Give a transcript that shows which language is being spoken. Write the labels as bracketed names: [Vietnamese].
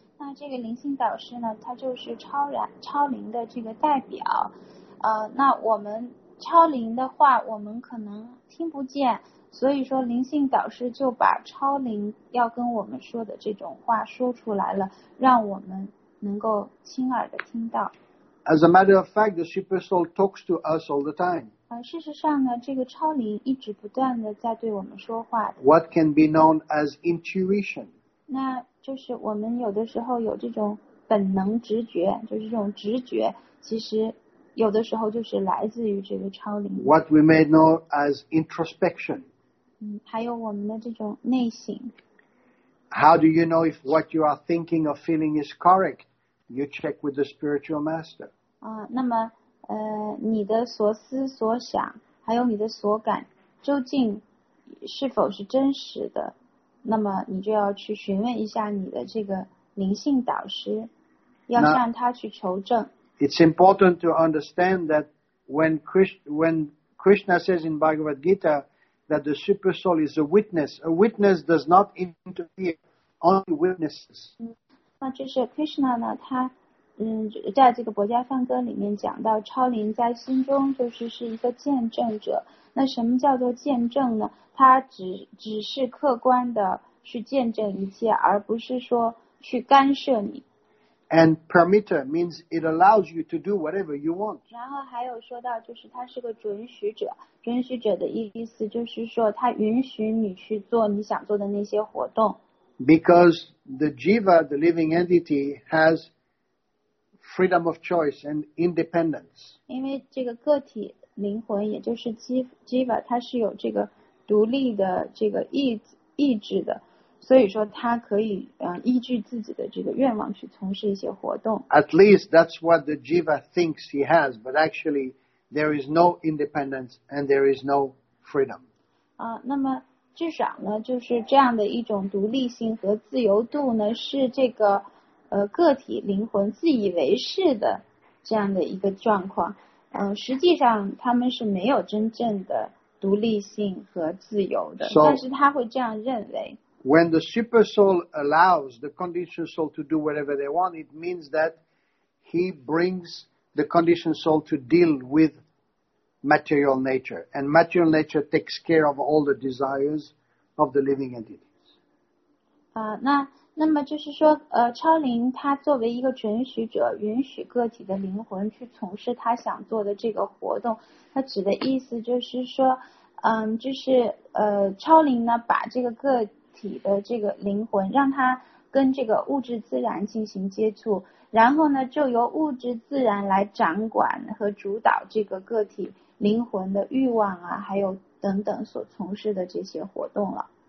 [Chinese] 那这个灵性导师呢，他就是超灵的这个代表，那我们超灵的话，我们可能听不见，所以说灵性导师就把超灵要跟我们说的这种话说出来了，让我们能够亲耳的听到。 [English] As a matter of fact, the super soul talks to us all the time. [Chinese] 事实上呢，这个超灵一直不断的在对我们说话。 [English] What can be known as intuition? [Chinese] 那就是我们有的时候有这种本能直觉，就是这种直觉，其实有的时候就是来自于这个超灵。 [English] What we may know as introspection. [Chinese] 还有我们的这种内省。 [English] How do you know if what you are thinking or feeling is correct? You check with the spiritual master. [Chinese] 那么你的所思所想，还有你的所感，究竟是否是真实的？那么你就要去询问一下你的这个灵性导师，要向他去求证。 [English] It's important to understand that when Krishna says in Bhagavad Gita that the super soul is a witness does not interfere, only witnesses. [Chinese] 那就是 Krishna 呢，他在这个《薄伽梵歌》里面讲到，超灵在心中就是一个见证者。那什么叫做见证呢？他只是客观的去见证一切，而不是说去干涉你。 [English] And permitter means it allows you to do whatever you want. [Chinese] 然后还有说到，就是他是个准许者。准许者的意思就是说，他允许你去做你想做的那些活动。 [English] Because the jiva, the living entity, has freedom of choice and independence. [Chinese] 因为这个个体。灵魂也就是 Jiva 它是有这个独立的这个意志的，所以说它可以依据自己的这个愿望去从事一些活动。 [English] At least that's what the Jiva thinks he has, but actually there is no independence and there is no freedom. [Chinese] 那么至少呢，就是这样的一种独立性和自由度呢，是这个个体灵魂自以为是的这样的一个状况。实际上他们是没有真正的独立性和自由的， [English] so, [Chinese] 但是他会这样认为。 [English] When the super soul allows the conditioned soul to do whatever they want, it means that he brings the conditioned soul to deal with material nature, and material nature takes care of all the desires of the living entities. 那 [Chinese] 那么就是说超灵它作为一个准许者，允许个体的灵魂去从事他想做的这个活动，它指的意思就是说就是超灵呢把这个个体的这个灵魂让它跟这个物质自然进行接触，然后呢就由物质自然来掌管和主导这个个体灵魂的欲望啊还有等等所从事的这些活动了。